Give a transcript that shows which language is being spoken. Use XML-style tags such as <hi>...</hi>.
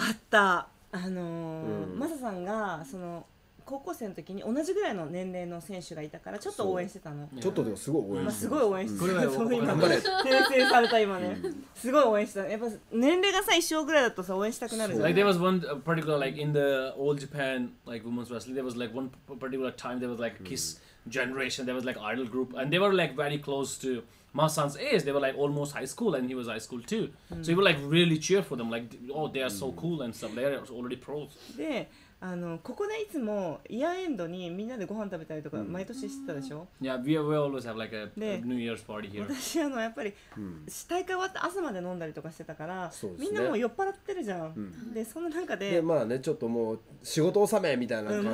<ja>あった。マサさんがその高校生の時に同じぐらいの年齢の選手がいたからちょっと応援してたの。ちょっとでもすごい応援してた、すごい応援してた、そう今頑張れ訂正された今ね、すごい応援してた。やっぱ年齢がさ一生ぐらいだとさ応援したくなるじゃん。</ja> <en>Like there was one particular like in the old Japan like women's wrestling, there was like one particular time there was like Kiss generation, there was like idol group, and they were like very close to Masan's age, they were like almost high school and he was high school too, so he would like really cheer for them, like oh they are so cool and stuff, they are already pros.</en> <ja>であのここでいつもイヤーエンドにみんなでご飯食べたりとか毎年してたでしょ。</ja> <en>いや、 we always have like a New Year's party here。</en> <ja>私あのやっぱり大会終わって朝まで飲んだりとかしてたから、うん、みんなもう酔っ払ってるじゃん。うん、でそんな中で、でまあねちょっともう仕事納めみたいな感じで、</ja>